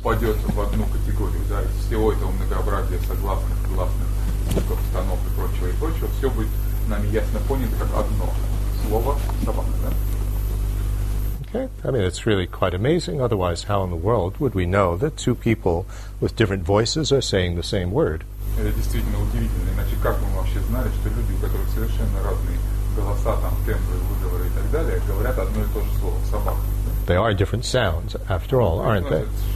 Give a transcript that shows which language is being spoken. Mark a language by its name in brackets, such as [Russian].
[Russian] Упадет в одну категорию, да, из всего этого многообразия согласных, гласных, звуков, тонов и прочего, и прочего, все будет нами ясно понято как одно слово «собака», да? [English] Okay, I mean, it's really quite amazing. Otherwise, how in the world would we know that two people with different voices are saying the same word? [Russian] Это действительно удивительно. Иначе как мы вообще знали, что люди, у которых совершенно разные голоса, там, тембры, выговоры и так далее, говорят одно и то же слово «собака»? [English] They are different sounds, after all, aren't they?